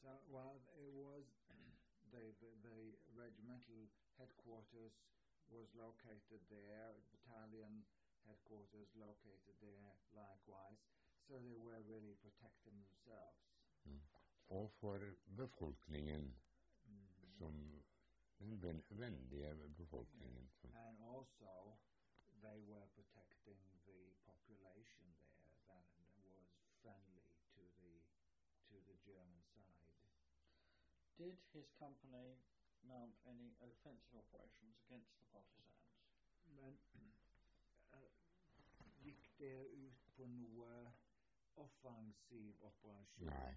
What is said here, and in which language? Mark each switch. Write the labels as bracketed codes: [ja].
[en] Well, it was the regimental headquarters was located there, battalion headquarters located there likewise, so they were really protecting themselves. Mm. [no] Og for befolkningen, som den vennlige befolkningen. [en] And also they were protecting the population there that was friendly to the German side. Did his company mount any offensive operations against the partisans? [no] Men gikk det ut på noe offensiv operasjon?